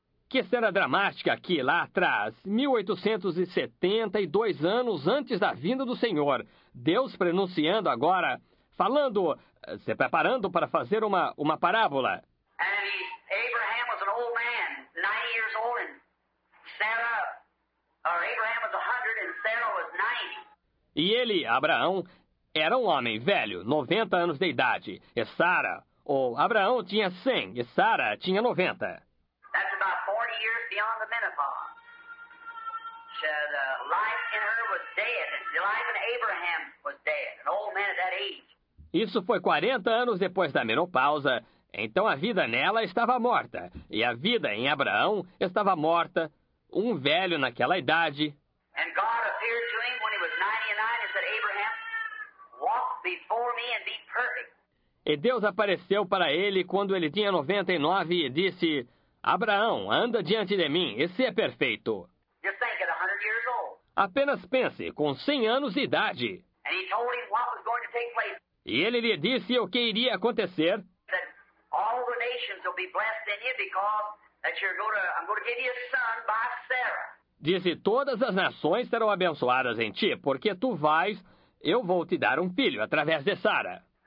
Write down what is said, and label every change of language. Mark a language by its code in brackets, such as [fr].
[pt] Que cena dramática aqui, lá atrás, 1872 anos antes da vinda do Senhor. Deus pronunciando agora, falando, se preparando para fazer uma parábola. [en] And Abraham was an old man, 90 years old, and Sarah, or Abraham was 100 and Sarah was 90. [pt] E ele, Abraão, era um homem velho, 90 anos de idade, e Sara, ou Abraão tinha 100 e Sara tinha 90. [en] That's about 40 years beyond the menopause. The life in her was dead, and the life in Abraham was dead, an old man at that age. [pt] Isso foi 40 anos depois da menopausa. Então a vida nela estava morta, e a vida em Abraão estava morta, um velho naquela idade. [en] And God appeared to him when he was 99 and said, Abraham, walk before me and be perfect. [pt] E Deus apareceu para ele quando ele tinha 99 e disse, Abraão, anda diante de mim e seja perfeito. [en] Just think at 100 years old. [pt] Apenas pense, com 100 anos de idade. [en] And he told him what was going to take place. [pt] E ele lhe disse o que iria acontecer. [en] All the nations will be blessed in you because that you're going to, I'm going to give you a son by Sarah. [pt] Disse, todas as nações serão abençoadas em ti, porque tu vais, eu vou te dar um filho através de Sara.